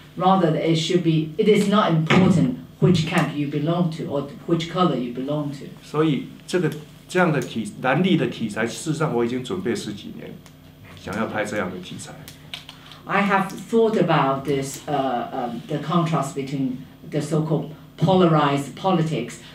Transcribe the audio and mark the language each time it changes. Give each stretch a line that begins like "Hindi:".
English: Rather, it should be, it is not important which camp you belong to or which color you belong to.
Chinese: 所以这个这样的题，蓝绿的题材，事实上我已经准备十几年，想要拍这样的题材。
English: I have thought about this, the contrast between the so-called polarized politics.